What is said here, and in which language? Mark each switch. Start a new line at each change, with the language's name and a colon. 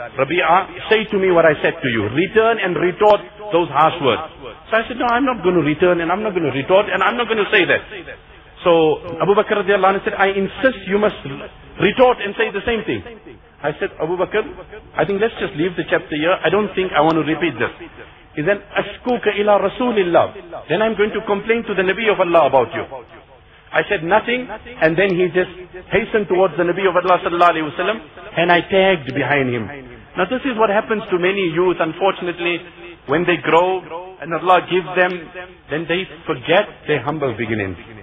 English: Rabi'ah, say to me what I said to you. Return and retort those harsh words. So I said, no, I'm not going to return and I'm not going to retort and I'm not going to say that. So Abu Bakr radiallahu anhu said, I insist you must retort and say the same thing. I said, Abu Bakr, I think let's just leave the chapter here. I don't think I want to repeat this. He said,
Arabic: أَشْكُوكَ إِلَىٰ رَسُولِ اللَّهِ.
English: Then I'm going to complain to the Nabi of Allah about you. I said nothing, and then he just hastened towards the Nabi of Allah sallallahu alayhi wa sallam, and I tagged behind him. Now this is what happens to many youth, unfortunately, when they grow, and Allah gives them, then they forget their humble beginnings.